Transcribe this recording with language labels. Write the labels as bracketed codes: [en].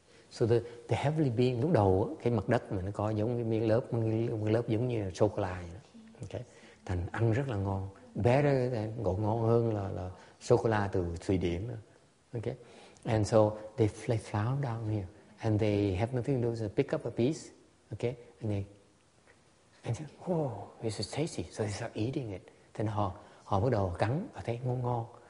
[en] So the heavenly being, [vi] lúc đầu cái mặt đất mà nó có giống như miếng lớp giống như là chocolate. Okay. Thành ăn rất là ngon. [en] Better than, [vi] ngon hơn là chocolate từ Thụy Điển. [en] Okay. And so they fly flower down here. And they have nothing to do, so pick up a piece. Okay. And they say, whoa, this is tasty. So they start eating it. [vi] Then họ bắt đầu cắn và thấy ngon.